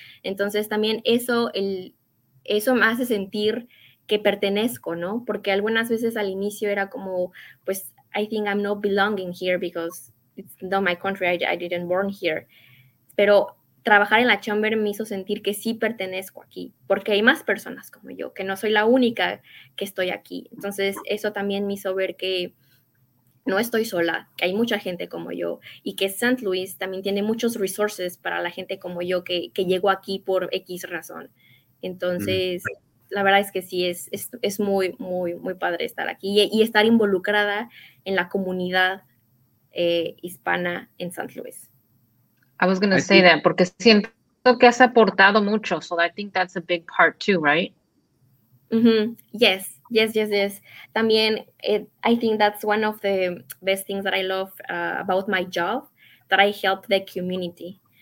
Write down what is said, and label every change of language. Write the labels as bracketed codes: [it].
[es] Entonces, también eso me hace sentir que pertenezco, ¿no? Porque algunas veces al inicio era como, pues, [en] I think I'm not belonging here because it's not my country, I didn't born here. [es] Pero trabajar en la chamber me hizo sentir que sí pertenezco aquí, porque hay más personas como yo, que no soy la única que estoy aquí. Entonces, eso también me hizo ver que no estoy sola, que hay mucha gente como yo y que St. Louis también tiene muchos resources para la gente como yo que llego aquí por X razón. Entonces, la verdad es que sí, es muy, muy, muy padre estar aquí y estar involucrada en la comunidad hispana en St. Louis. [en] I was going to say that [es] porque siento que has aportado mucho, [en] so I think that's a big part too, right? Mm-hmm. Yes. Yes, yes, yes. [es] También, [en] I think that's one of the best things that I love about my job, that I help the community.